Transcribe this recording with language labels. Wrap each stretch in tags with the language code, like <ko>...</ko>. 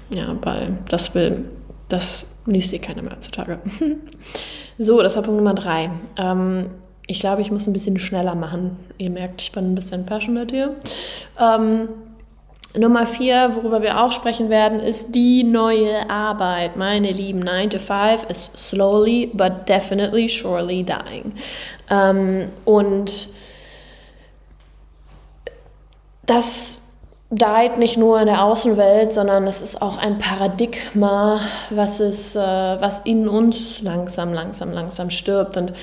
<de>Ja, weil das liest eh keiner mehr heutzutage. So, das war Punkt Nummer 3. Ich glaube, ich muss ein bisschen schneller machen. Ihr merkt, ich bin ein bisschen passionate hier. Nummer 4, worüber wir auch sprechen werden, ist die neue Arbeit. Meine lieben,</de> <en>9-to-5 is slowly but definitely surely dying.</en> <de>Und das died nicht nur in der Außenwelt, sondern es ist auch ein Paradigma, was in uns langsam stirbt.</de>